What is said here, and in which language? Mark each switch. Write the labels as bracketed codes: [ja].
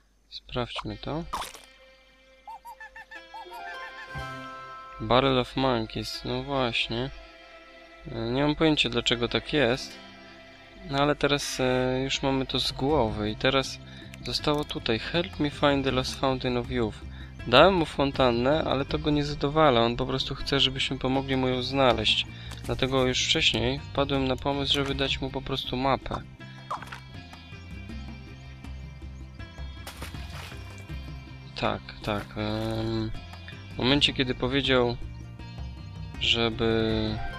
[pl] Sprawdźmy to. Barrel of Monkeys, no właśnie. Nie mam pojęcia, dlaczego tak jest. No ale teraz już mamy to z głowy i teraz... Zostało tutaj. [en] Help me find the lost fountain of youth. [pl] Dałem mu fontannę, ale to go nie zadowala. On po prostu chce, żebyśmy pomogli mu ją znaleźć. Dlatego już wcześniej wpadłem na pomysł, żeby dać mu po prostu mapę. Tak, tak. W momencie, kiedy powiedział, żeby...